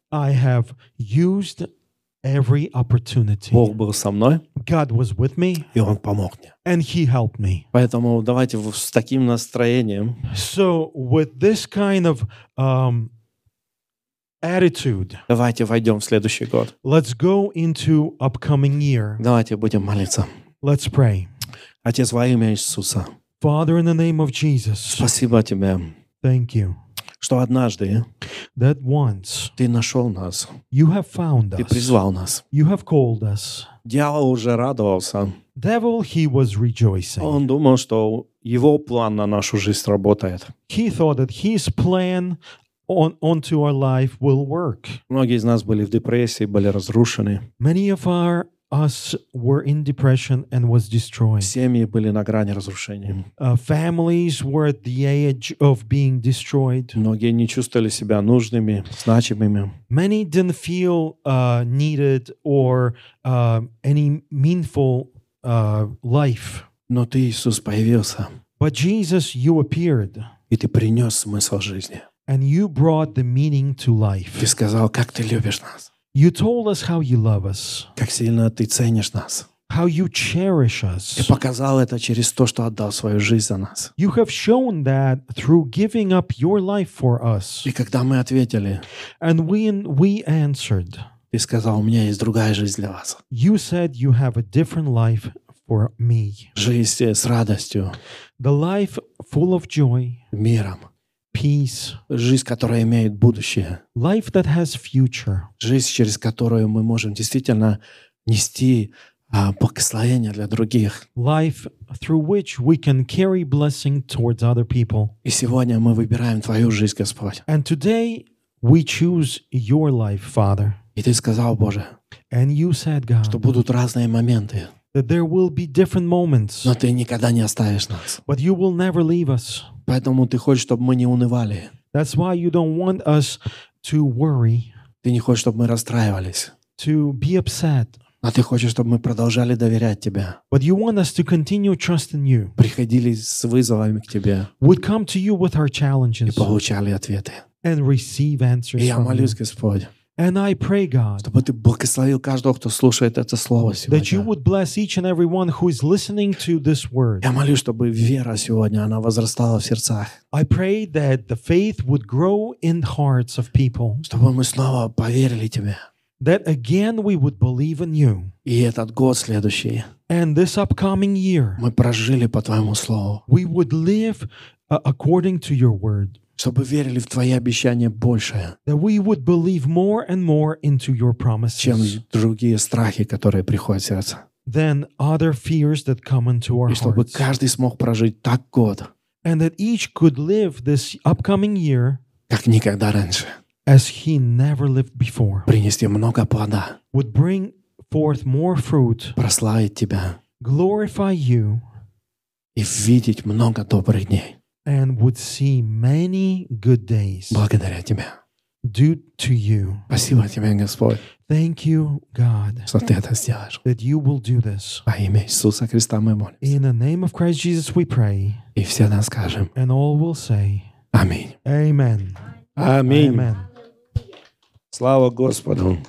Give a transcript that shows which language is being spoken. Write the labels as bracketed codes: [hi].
[en] I have used every opportunity. [ru] Бог был со мной. [en] God was with me. [ru] И он помог мне. [en] And he helped me. [ru] Поэтому давайте с таким настроением. [en] So with this kind of attitude. [ru] Давайте войдем в следующий год. [en] Let's go into upcoming year. [ru] Давайте будем молиться. [en] Let's pray. [ru] Отец, во имя Иисуса. [en] Father, in the name of Jesus. [ru] Спасибо тебе. [en] Thank you. [ru] Что однажды [en] that once [ru] ты нашел нас. [en] You have found [ru] ты призвал нас. [en] You have called us. [ru] Дьявол уже радовался. [en] Devil, he was rejoicing. [ru] Он думал, что его план на нашу жизнь работает. [en] He thought that his plan onto our life will work. [ru] Многие из нас были в депрессии, были разрушены. [en] Many of us were in depression and was destroyed. [ru] Семьи были на грани разрушения. [en] Families were at the edge of being destroyed. [ru] Многие не чувствовали себя нужными, значимыми. [en] Many didn't feel needed or any meaningful life. [ru] Но ты, Иисус, появился. [en] But Jesus, you appeared. [ru] И ты принес смысл жизни. [en] And you brought the meaning to life. [ru] Ты сказал, как ты любишь нас. [en] You told us how you love us. [ru] Как сильно ты ценишь нас. [en] How you cherish us. [ru] Ты показал это через то, что отдал свою жизнь за нас. [en] You have shown that through giving up your life for us. [ru] И когда мы ответили, [en] and we answered. [ru] Ты сказал, у меня есть другая жизнь для вас. [en] You said you have a different life for me. [ru] Жизнь с радостью. [en] The life full of joy. [ru] Миром. [en] Peace. [ru] Жизнь, которая имеет будущее. [en] Life that has future. [ru] Жизнь, через которую мы можем действительно нести благословение для других. [en] Life through which we can carry blessing towards other people. [ru] И сегодня мы выбираем твою жизнь, Господь. [en] And today we choose your life, Father. [ru] И ты сказал, Боже, [en] and you said, God, [ru] что будут разные моменты. [en] That there will be different moments. [ru] Но ты никогда не оставишь нас. [en] But you will never leave us. [ru] Поэтому ты хочешь, чтобы мы не унывали. [en] That's why you don't want us to worry. [ru] Ты не хочешь, чтобы мы расстраивались. [en] To be upset. [ru] А ты хочешь, чтобы мы продолжали доверять тебе. [en] But you want us to continue trusting you. [ru] Приходили с вызовами к тебе. [en] Would come to you with our challenges. [ru] И получали ответы. [en] And receive answers. [ru] И я молюсь, Господь. [en] And I pray, God, [ru] чтобы ты благословил каждого, кто слушает это слово сегодня. [en] That you would bless each and everyone who is listening to this word. [ru] Я молюсь, чтобы вера сегодня она возрастала в сердцах. [en] I pray that the faith would grow in the hearts of people. [ru] Чтобы мы снова поверили тебе. [en] That again we would believe in you. [ru] И этот год следующий. [en] And this upcoming year. [ru] Мы прожили по твоему слову. [en] We would live according to your word. [ru] Чтобы верили в твои обещания большее. [en] That we would believe more and more into your promises. [ru] Чем другие страхи, которые приходят в сердце. [en] Than other fears that come into our hearts. [ru] И чтобы каждый смог прожить так год. [en] And that each could live this upcoming year. [ru] Как никогда раньше. [en] As he never lived before. [ru] Принести много плода. [en] Would bring forth more fruit, [ru] прославить Тебя, [en] glorify You, [ru] и видеть много добрых дней, [en] and would see many good days, [ru] благодаря Тебя, [en] due to You. [ru] Спасибо Тебе, Господь. [en] Thank You, God, [ru] что Ты это сделаешь. [en] That You will do this. [ru] Во имя Иисуса Христа мы молимся. [en] In the name of Christ Jesus we pray. [ru] И все нам скажем. [en] And all will say. [ru] Аминь. [en] Amen. [ru] Аминь. Аминь. Слава Господу.